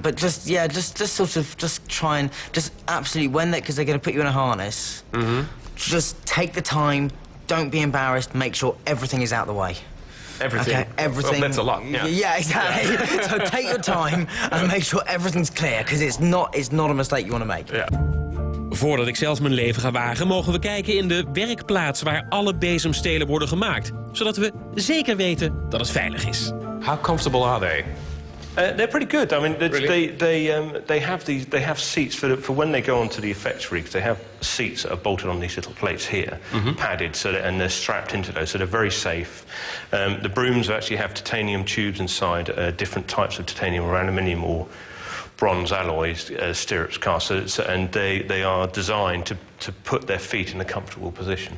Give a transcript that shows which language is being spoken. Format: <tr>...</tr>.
<en>But just absolutely, when they, because they're going to put you in a harness, mm-hmm. just take the time, don't be embarrassed, make sure everything is out the way. Everything. Well, that's a lot. Yeah, exactly. So take your time and make sure everything's clear, because it's not a mistake you want to make. Yeah.</en> <nl>Voordat ik zelf mijn leven ga wagen, mogen we kijken in de werkplaats waar alle bezemstelen worden gemaakt, zodat we zeker weten dat het veilig is.</nl> <en>How comfortable are they? They're pretty good. I mean, they have seats for when they go onto the effectory, because they have seats that are bolted on these little plates here, mm-hmm. padded, so that, and they're strapped into those, so they're very safe. The brooms actually have titanium tubes inside, different types of titanium or aluminium or bronze alloys, stirrups cast, and they are designed to put their feet in a comfortable position.</en>